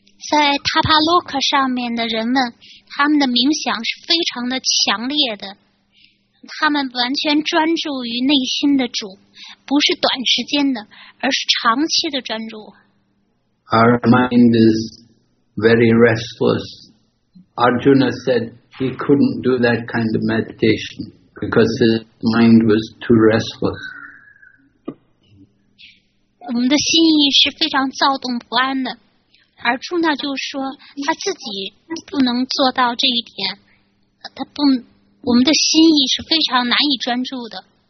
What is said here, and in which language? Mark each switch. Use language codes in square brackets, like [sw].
[zh] 在塔帕洛克上面的人们，他们的冥想是非常的强烈的，他们完全专注于内心的主，不是短时间的，而是长期的专注。 [en] Our mind is very restless. Arjuna said he couldn't do that kind of meditation because his mind was too restless. [zh] 我们的心意是非常躁动不安的。而朱娜就说他自己不能做到这一点，他不，我们的心意是非常难以专注的。